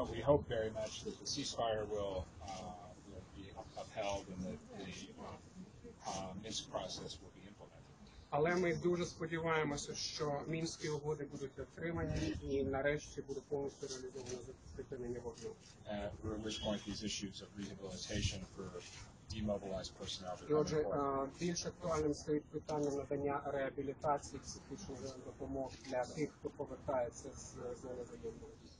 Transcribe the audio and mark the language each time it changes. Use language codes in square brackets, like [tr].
[en] but we hope very much that the ceasefire will be upheld and that the Minsk process will be implemented. [uk] Але ми дуже сподіваємося, що Мінські угоди будуть отримані і нарешті буде повністю реалізовано припинення вогню. [en] At which point these issues of rehabilitation for demobilized personnel. [uk] І отже, більш актуальним стоїть питання надання реабілітації психічної допомоги для тих, хто повертається з зони воєнного.